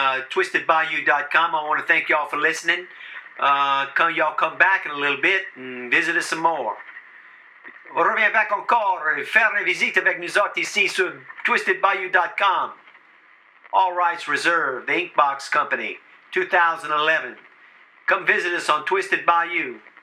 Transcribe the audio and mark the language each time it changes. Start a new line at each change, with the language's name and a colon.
English: Twisted by you.com. I want to thank y'all for listening. Y'all come back in a little bit and visit us some more.
French: Reviens back encore et faire une visite avec nous autres ici sur twistedbyyou.com.
English: All rights reserved. The Inkbox Company, 2011. Come visit us on Twisted by You.